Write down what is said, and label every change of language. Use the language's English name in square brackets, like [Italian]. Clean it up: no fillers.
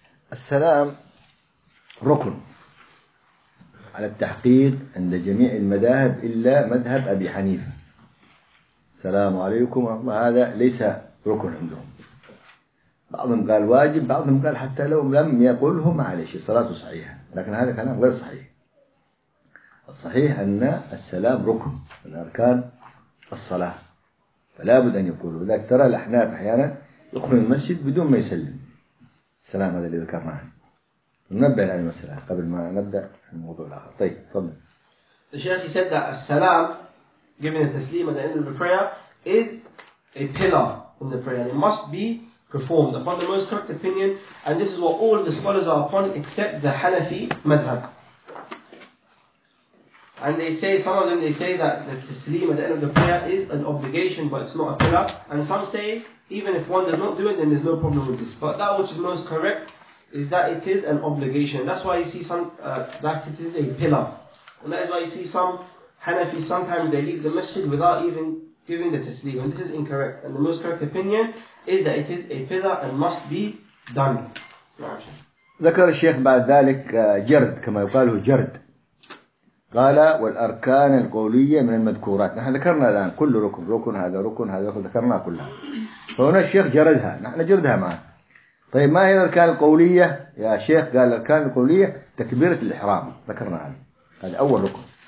[Arabic] As-salam rukun ala at-tahqiq inda jami' al-madahib illa madhab Abi Hanifa. Assalamu alaykum wa hadha laysa ركن عندهم. بعضهم قال واجب، بعضهم قال حتى لو لم يقله معليش صلاته صحيحة، لكن هذا كلام غير صحيح. الصحيح أن السلام ركن من أركان الصلاة، فلا بد أن يقوله. لذلك ترى الأحناف أحيانا يخرج المسجد بدون ما يسلم السلام هذا الذي ذكرناه. ننبه على المسألة قبل ما نبدأ الموضوع الآخر. طيب تفضل. [English] الشيخ said that السلام giving a تسليم at the end of the prayer is a pillar in the prayer. It must be performed upon the most correct opinion, and this is what all the scholars are upon except the Hanafi madhab. And they say, some of them, they say that the taslim at the end of the prayer is an obligation, but it's not a pillar. And some say even if one does not do it, then there's no problem with this. But that which is most correct is that it is an obligation. That's why you see some that it is a pillar, and that is why you see some Hanafi sometimes they leave the masjid without even giving the tasleem, and this is incorrect. And the most correct opinion is that it is a pillar and must be done. [Arabic] ذكر الشيخ بعد ذلك جرد كما يقاله جرد. قال والأركان القولية من المذكورات. نحن ذكرنا الآن كل ركن، ركن هذا ركن هذا ركن، ذكرنا كلها. فهنا الشيخ جردها، نحن جردها معه. طيب ما هي الأركان القولية يا شيخ؟ قال الأركان القولية تكبيرة الإحرام، ذكرنا هذا، هذا أول ركن.